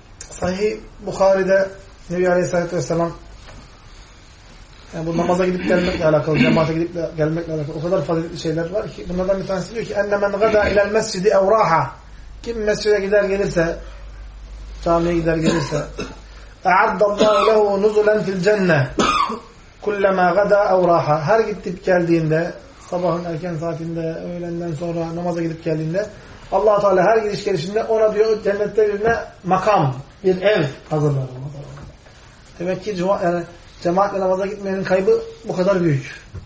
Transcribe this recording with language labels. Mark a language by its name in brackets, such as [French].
[Turkish] Sahih Bukhari'de Nebi Aleyhisselatü Vesselam yani bu namaza gidip gelmekle alakalı, cemaate gidip gelmekle alakalı o kadar faziletli şeyler var ki bunlardan bir tanesi diyor ki [Arabic] اَنَّمَنْ غَدَى اِلَى الْمَسْجِدِ اَوْرَاحَ. [Turkish] Kim mescide gider gelirse, [Arabic] camiye gider gelirse اَعَدَّ اللّٰهُ لَهُ نُزُلًا فِي الْجَنَّةِ كُلَّمَا غَدَى اَوْرَاحَ. [Turkish] Her gidip geldiğinde, sabahın erken saatinde, öğlenden sonra namaza gidip geldiğinde Allah-u Teala her gidiş gelişinde ona diyor cennette birine makam, bir ev hazırlar. Demek ki yani cemaatle namaza gitmenin kaybı bu kadar büyük.